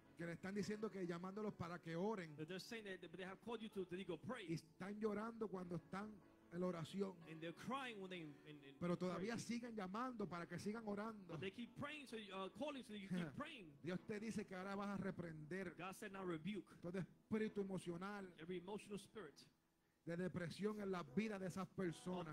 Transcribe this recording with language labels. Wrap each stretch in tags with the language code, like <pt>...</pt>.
<es>Que le están diciendo que llamándolos para que oren.</es> <en>That they're saying that they have called you to that you go pray.</en> <es>Y están llorando cuando están en la oración.</es> <en>And they're crying when they.</en> <es>Pero todavía siguen llamando para que sigan orando.</es> <en>But they keep praying, so calling, so you keep praying.</en> <es>Dios te dice que ahora vas a reprender.</es> <en>God said now rebuke.</en> <es>Todo espíritu emocional.</es> <en>Every emotional spirit.</en> <es>De depresión en la vida de esas personas.</es>